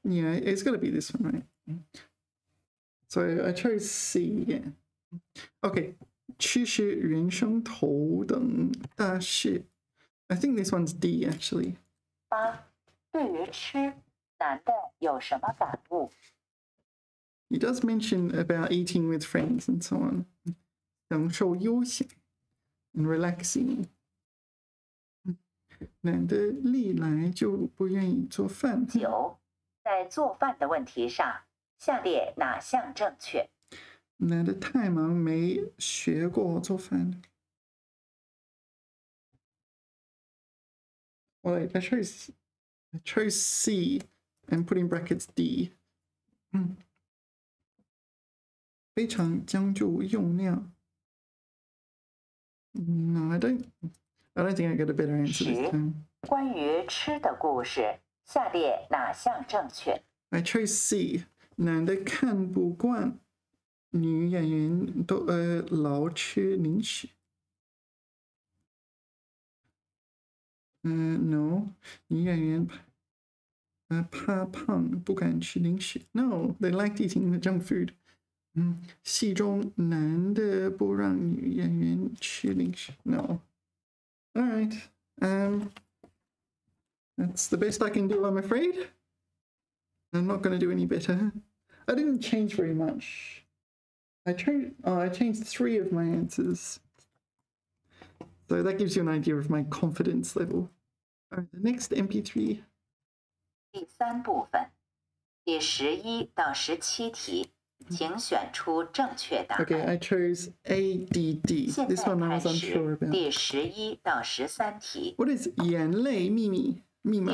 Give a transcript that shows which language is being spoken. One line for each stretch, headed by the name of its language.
English: Yeah, it's gonna be this one, right? So I chose C, yeah.
Chinese: Okay, 吃是人生头等大事。
English: I think this one's D, actually.
Chinese: 八，对于吃，男的有什么感悟？
English: He does mention about eating with friends and so on.
Chinese: 享受悠闲
English: and relaxing.
Chinese: 男的历来就不愿意做饭。九，在做饭的问题上，下列哪项正确？男的太忙没学过做饭。
English: Well, I chose C and put in brackets D.
Chinese: 非常将就用量。
English: No, I don't think I get a better answer this time.
Chinese: 关于吃的故事，下列哪项正确？
English: I chose C.
Chinese: 男的看不惯女演员都老吃零食。 No. 女演员怕胖，不敢吃零食。
English: No, they liked eating the junk food.
Chinese: 戏中男的不让女演员吃零食。
English: No. All right. That's the best I can do, I'm afraid. I'm not going to do any better. I didn't change very much. I changed three of my answers. So that gives you an idea of my confidence level. All right, the next MP3.
Chinese: 第三部分，第十一到十七题，请选出正确答案。
English: Okay, I chose ADD. This one I was unsure about.
Chinese: 第十一到十三题。
English: What is
Chinese: 眼泪秘密？密码。